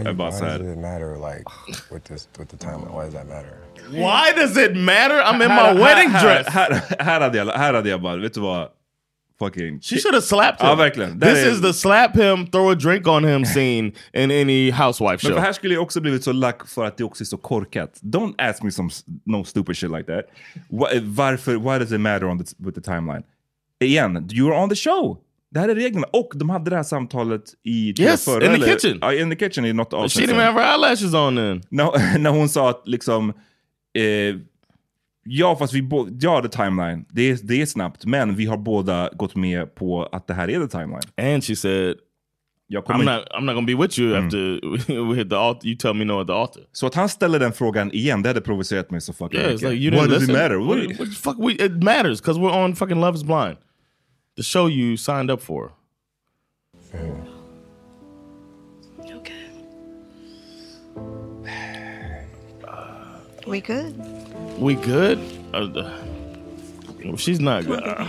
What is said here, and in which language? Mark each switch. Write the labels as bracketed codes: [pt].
[en] Why, about why does it matter, like, with the time? Why does that matter? Why does it matter? I'm in my wedding dress. [sv] Här är det, vet du vad? Fucking. [en] She should have slapped him. [sv] Ja, verkligen. [en] This is the slap him, throw a drink on him scene in any housewife show. [sv] Men här skulle jag också blivit så lack för att det också är så korkat. [en] Don't ask me some no stupid shit like that. Why does it matter on with the timeline? Again, you're on the show. [sv] Det här är reglerna. Och de hade det här samtalet i... Yes, förr, [en] in the [sv] eller? Kitchen. [en] In the kitchen, not the office. She didn't have her eyelashes on then. [sv] När hon sa att liksom... ja, fast vi har the timeline. Det är snabbt. Men vi har båda gått med på att det här är the timeline. [en] And she said... I'm not gonna be with you after we hit the altar. You tell me no at the altar. [sv] Så att han ställer den frågan igen, det hade provocerat mig så fucking... [en] Yeah, it's like, you didn't listen. Why does it matter? It matters, because we're on fucking Love is Blind. The show you signed up for. Mm. Okay. We good? We good? She's not good.